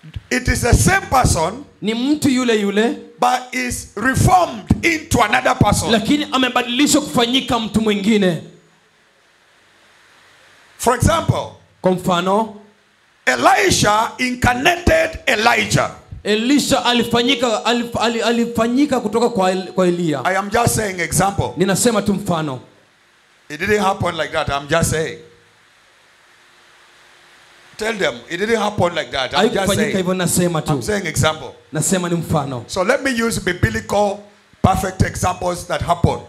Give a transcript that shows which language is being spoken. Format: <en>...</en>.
<en>It is the same person.</en> <sw>Ni mtu yule yule.</sw> <en>But is reformed into another person.</en> <sw>Lakini amebadilishwa kufanyika mtu mwingine.</sw> <en>For example,</en> <sw>Komfano,</sw> <en>Elisha incarnated Elijah.</en> <sw>Elisha alifanyika kutoka kwa Elia.</sw> <en>I am just saying example.</en> <sw>Ninasema tu mfano.</sw> <en>It didn't happen like that. I'm just saying. Tell them it didn't happen like that. I'm just saying.</en> <sw>Hivyo nasema tu.</sw> <en>I'm saying example.</en> <sw>Nasema ni mfano.</sw> <en>So let me use biblical perfect examples that happen.</en>